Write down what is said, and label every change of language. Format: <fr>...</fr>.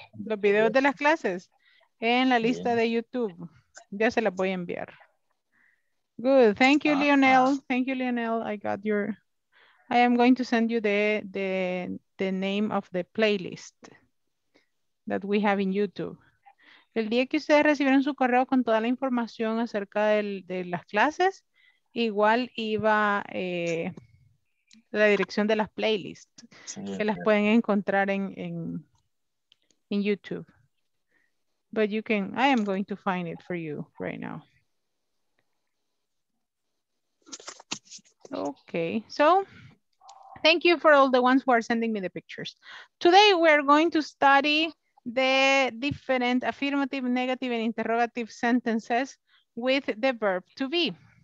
<es>Los videos de las clases en la lista de YouTube. Ya se las voy a enviar.</es> <en>Good. Thank you, Lionel.</en> <es>Thank you, Lionel.</es> <en>I am going to send you the name of the playlist that we have in YouTube.</en> <es>El día que ustedes recibieron su correo con toda la información acerca de las clases, igual iba la dirección de las playlists, que las pueden encontrar en YouTube.</es> <en>But you can, I am going to find it for you right now. Okay, so thank you for all the ones who are sending me the pictures. Today we're going to study the different affirmative, negative, and interrogative sentences with the verb to be.</en>